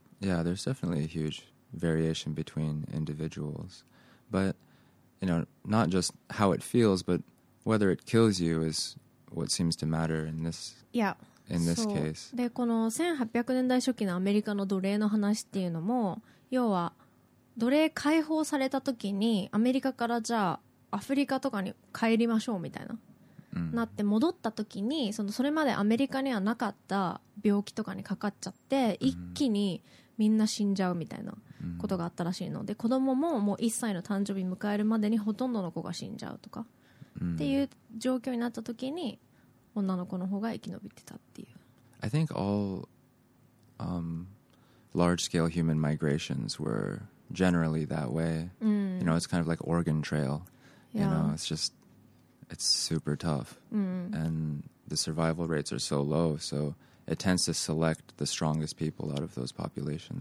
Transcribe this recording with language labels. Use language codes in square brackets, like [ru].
[en] Yeah, there's definitely a huge variation between individuals. But, you know, not just how it feels, but whether it kills you is what seems to matter in this, in this case. [ja] で、この1800年代初期のアメリカの奴隷の話っていうのも、要は奴隷解放された時にアメリカからじゃあアフリカとかに帰りましょうみたいな、なって戻った時に それまでアメリカにはなかった病気とかにかかっちゃって一気にみんな死んじゃうみたいなことがあったらしいので、子供ももう1歳の誕生日迎えるまでにほとんどの子が死んじゃうとか、っていう状況になった時に女の子の方が生き延びてたっていう。 [en] I think all、large scale human migrations were generally that way、 [ja] うん、 [en] you know, it's kind of like Oregon Trail、yeah. you know, it's just it's super tough、 [ja] うん、 [en] and the survival rates are so low, so it tends to select the strongest people out of those populations.